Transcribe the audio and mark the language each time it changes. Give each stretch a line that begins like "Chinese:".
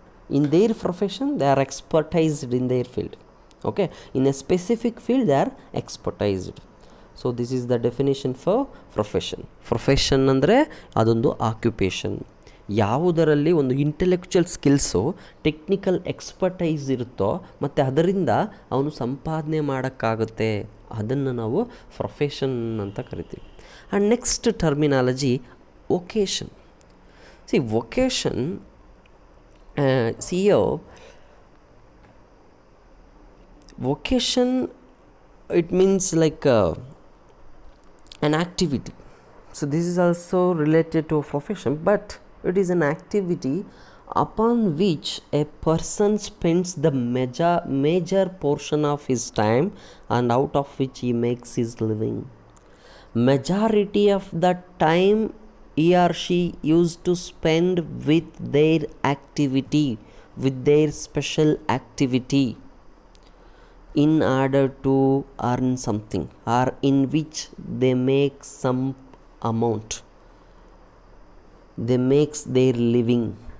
English: In their profession, they are expertised in their field. Okay, in a specific field, they are expertised. So this is the definition for profession.
Kannada: Profession andre adondu occupation. ಯಾವುದರಲ್ಲಿ ಒಂದು intellectual skills, technical expertise ಇರುತ್ತೋ ಮತ್ತು ಅದರಿಂದ ಅವನು ಸಂಪಾದನೆ ಮಾಡೋಕ್ಕಾಗುತ್ತೆ, ಅದನ್ನು ನಾವು ಪ್ರೊಫೆಷನ್ ಅಂತ ಕರಿತೀವಿ.
English: And next terminology vocation. See vocation so vocation it means like an activity. So this is also related to profession, but it is an activity upon which a person spends the major portion of his time and out of which he makes his living. Majority of the time he or she used to spend with their activity, with their special activity, in order to earn something, or in which they make some amount, they makes their living.